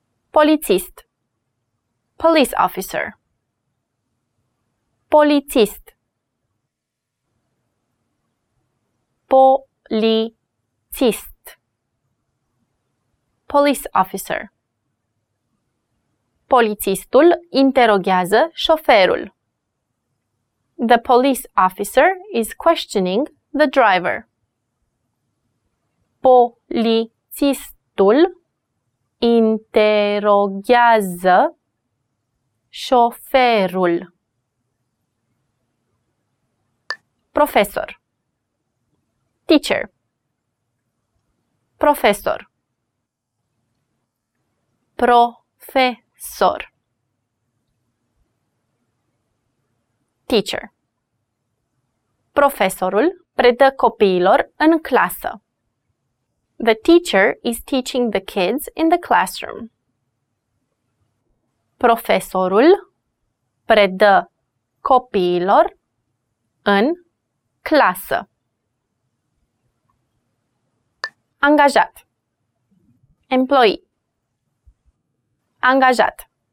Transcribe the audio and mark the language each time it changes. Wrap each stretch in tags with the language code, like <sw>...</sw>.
<ro>Polițist.</ro> <en>Police officer.</en> <ro>Polițist. Polițist.</ro> <en>Police officer.</en> <ro>Polițistul interoghează șoferul.</ro> <en>The police officer is questioning the driver.</en> <ro>Polițistul interoghează șoferul. Profesor.</ro> <en>Teacher.</en> <ro>Profesor. Profesor.</ro> <en>Teacher.</en> <ro>Profesorul predă copiilor în clasă.</ro> <en>The teacher is teaching the kids in the classroom.</en> <ro>Profesorul predă copiilor în clasă. Angajat.</ro> <en>Employee.</en> <ro>Angajat.</ro>